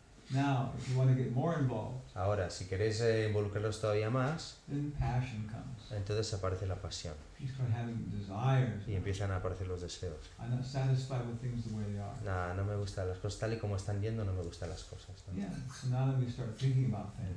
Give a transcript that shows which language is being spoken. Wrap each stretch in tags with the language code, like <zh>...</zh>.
<en>Now, if you want to get more involved,</en> <es>ahora, si queréis involucraros todavía más,</es> <en>then passion comes.</en> <es>Entonces aparece la pasión.</es> <en>You start having desires.</en> <es>Y empiezan a aparecer los deseos.</es> <en>I'm not satisfied with things the way they are.</en> <es>Nah, no me gustan las cosas tal y como están yendo, no me gustan las cosas.</es> <en>Yeah, so now we start thinking about things.</en>